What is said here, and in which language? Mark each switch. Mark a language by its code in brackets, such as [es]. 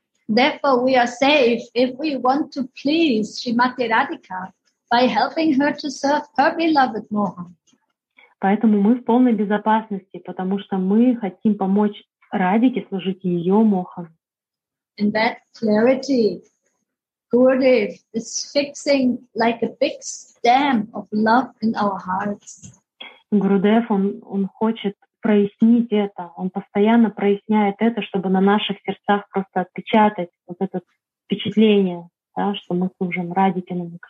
[en] Therefore, we are safe if we want to please Srimati Radhika by helping her to serve her beloved Mohan. [ru] Поэтому мы в полной безопасности, потому что мы хотим помочь Радике служить её Mohan. [en] And that clarity, Gurudev, is fixing like a big stamp of love in our hearts. [ru] Gurudev, он хочет прояснить это. Он постоянно проясняет это, чтобы на наших сердцах просто отпечатать вот это впечатление, да, что мы служим Радике на